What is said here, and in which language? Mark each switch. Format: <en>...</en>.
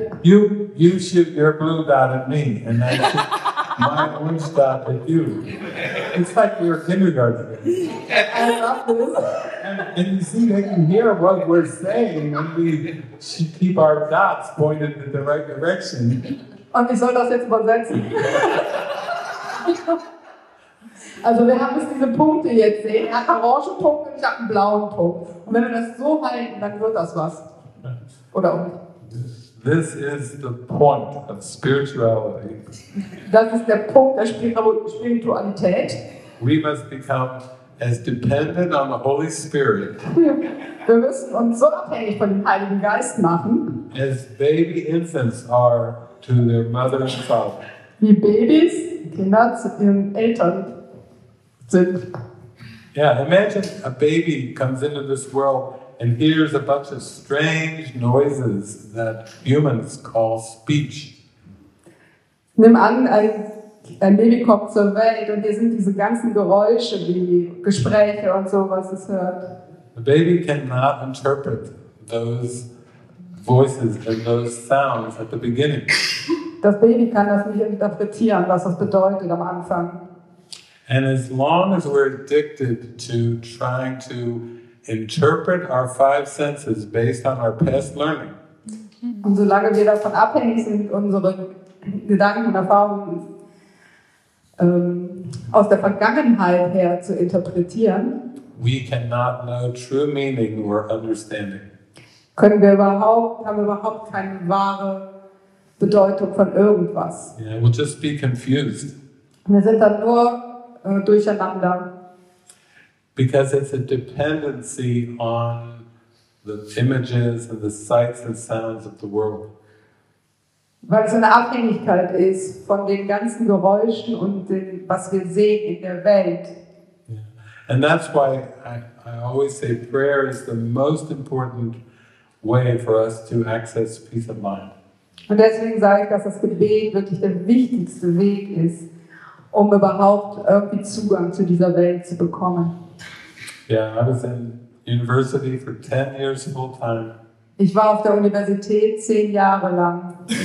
<en>You shoot your blue dot at me, and then my own stuff at you. It's like we were kindergarten. I love this. And you see, they can hear what we're saying when we should keep our dots pointed in the right direction.</en> <de>Und wie soll das jetzt übersetzen? Also wir haben jetzt diese Punkte jetzt sehen. Ich habe einen orangen Punkt und ich habe einen blauen Punkt. Und wenn wir das so halten, dann wird das was. Oder um.</de> <en>This is the point of spirituality.</en> <de>Das ist der Punkt der Spiritualität.</de> <en>We must become as dependent on the Holy Spirit.</en> <de>Wir müssen uns so abhängig von dem Heiligen Geist machen.</de> <en>As baby infants are to their mother and father.</en> <de>Wie Babys Kinder zu ihren Eltern sind.</de> <en>Yeah, imagine a baby comes into this world and hears a bunch of strange noises that humans call speech.</en> <de>Nimm an, ein Baby kommt zur Welt und hier sind diese ganzen Geräusche wie Gespräche und so, was es hört.</de> <en>The baby cannot interpret those voices and those sounds at the beginning.</en> <de>Das Baby kann das nicht interpretieren, was das bedeutet am Anfang.</de> <en>And as long as we're addicted to trying to interpret our five senses based on our past learning.</en> <de>Und solange wir davon abhängig sind, unsere Gedanken und Erfahrungen aus der Vergangenheit her zu interpretieren,</de> <en>we cannot know true meaning or understanding.</en> <de>Haben wir überhaupt keine wahre Bedeutung von irgendwas.</de> <en>Yeah, we'll just be confused.</en> <de>Wir sind dann nur durcheinander.</de> <en>Because it's a dependency on the images and the sights and sounds of the world.</en> <de>Weil es eine Abhängigkeit ist von den ganzen Geräuschen und dem, was wir sehen in der Welt. Yeah.</de> <en>And that's why I always say prayer is the most important way for us to access peace of mind.</en> <de>Und deswegen sage ich, dass das Gebet wirklich der wichtigste Weg ist, um überhaupt irgendwie Zugang zu dieser Welt zu bekommen.</de> <en>Yeah, I was in university for 10 years full time.</en> <de>Ich war auf der Universität 10 Jahre lang.</de>